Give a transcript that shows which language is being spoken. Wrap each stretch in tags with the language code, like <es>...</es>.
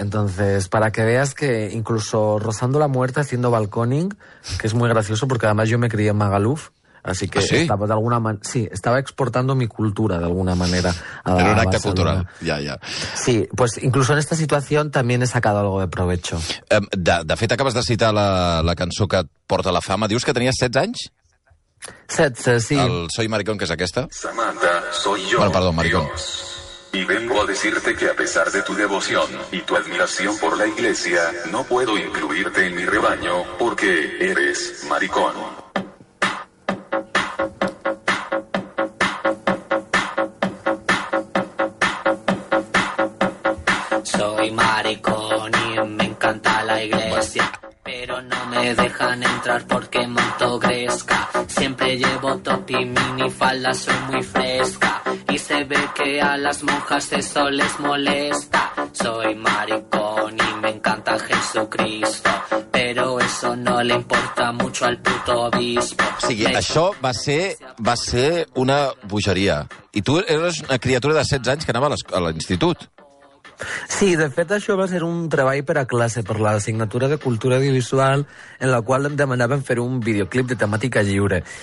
<es>Entonces, para que veas que incluso rozando la muerte, haciendo balconing, que es muy gracioso porque además yo me crié en Magaluf, así que ¿sí? Estaba de alguna manera, sí, estaba exportando mi cultura de alguna manera. Era un acto cultural, ya, ya. Sí, pues incluso en esta situación también he sacado algo de provecho.</es> <ca>De fet, acabas de citar la cançó que porta la fama. Dius que tenies 16 anys? 16, sí. El Soy Maricón, que és aquesta?</ca> <es>Samantha, soy yo. Bueno, perdón, Maricón. Y vengo a decirte que a pesar de tu devoción y tu admiración por la iglesia, no puedo incluirte en mi rebaño porque eres maricón. Maricón y me encanta la iglesia, pero no me dejan entrar porque monto gresca. Siempre llevo top y mini falda, soy muy fresca, y se ve que a las monjas eso les molesta. Soy maricón y me encanta Jesucristo, pero eso no le importa mucho al puto obispo.</es> <ca>O sigui, això va ser una bogeria. I tu eres una criatura de 16 anys que anava a l'institut. Sí, de fet això va ser un treball per a classe, per l'assignatura de cultura audiovisual, en la qual em demanaven fer un videoclip de temàtica lliure.</ca>